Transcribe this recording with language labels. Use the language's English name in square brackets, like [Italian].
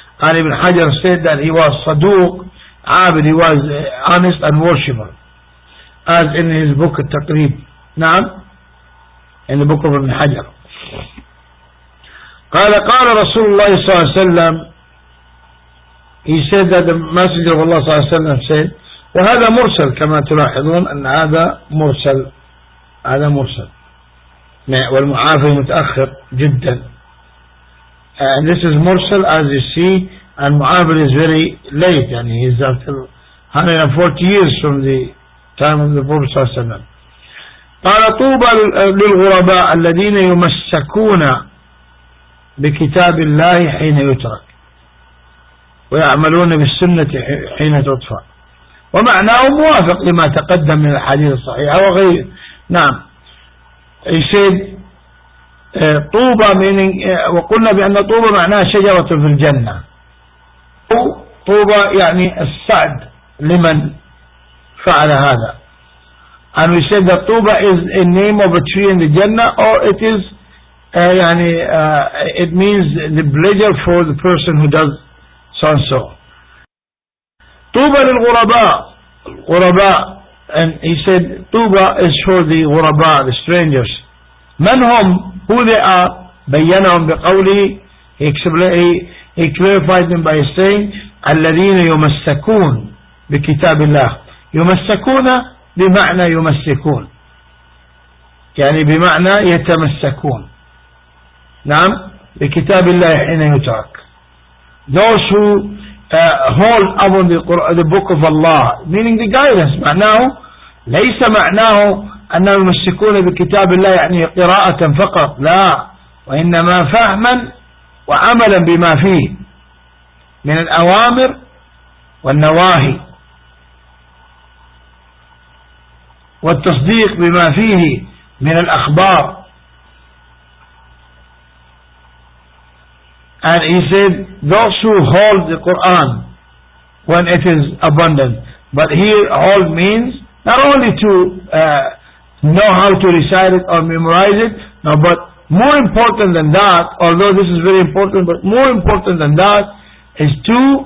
[English] And Ibn Hajar said that he was saduq abid, he was honest and worshipper, as in his book Taqrib, na'am, in the book of Ibn Hajar. [Arabic] قال رسول الله صلى الله عليه وسلم, [English] he said that the messenger of Allah [Arabic] صلى الله عليه وسلم said, وهذا مرسل كما تلاحظون أن هذا مرسل, هذا مرسل, والمعافي متأخر جدا, [English] and this is [Arabic] مرسل [English] as you see, and [Arabic] معافي [English] is very late, [Arabic] يعني [English] he is after 140 years from the time of the Prophet [Arabic] صلى الله عليه وسلم. قال طوبى للغرباء الذين يمسكون بكتاب الله حين يترك ويعملون بالسنة حين تطفى, ومعناه موافق لما تقدم من الحديث الصحيح وغير. نعم, [English] he said [Arabic] طوبى [English] meaning, [Arabic] وقلنا بأن طوبى معناه شجرة في الجنة, طوبى يعني السعد لمن فعل هذا, [English] and we said that [Arabic] طوبى [English] is a name of a tree in the Jannah, or it is يعني it means the pleasure for the person who does so and so. [Arabic] طوبى للغرباء, غرباء. [English] And he said طوبى is for the غرباء, the strangers. [Arabic] من هم, [English] who they are, [Arabic] بينهم بقوله, [English] he clarified them by saying [Arabic] الذين يمسكون بكتاب الله. يمسكون بمعنى يمسكون, يعني بمعنى يتمسكون, نعم, بكتاب الله حين يترك. [English] Those who hold upon the book of Allah, meaning the guidance. [Arabic] معناه ليس معناه أنهم يمسكون بكتاب الله يعني قراءة فقط, لا, وإنما فهما وعملا بما فيه من الأوامر والنواهي والتصديق بما فيه من الأخبار. [English] And he said those who hold the Quran when it is abundant. But here hold means not only to know how to recite it or memorize it, no, but more important than that, although this is very important, but more important than that is to